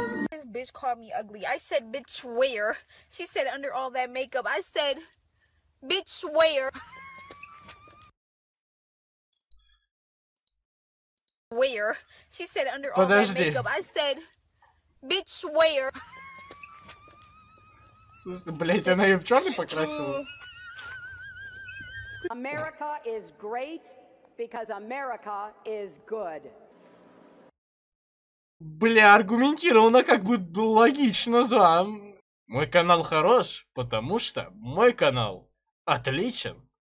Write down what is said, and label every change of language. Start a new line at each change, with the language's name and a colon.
English: This bitch called me ugly. I said, bitch, where? She said, under all that makeup. I said, bitch, where? Where? She said, under all that makeup. I said, bitch, where?
Russian: Блять, она ее в черный покрасила.
English: America is great because America is good.
Russian: Бля, аргументировано, как бы логично, да. Мой канал хорош, потому что мой канал отличен.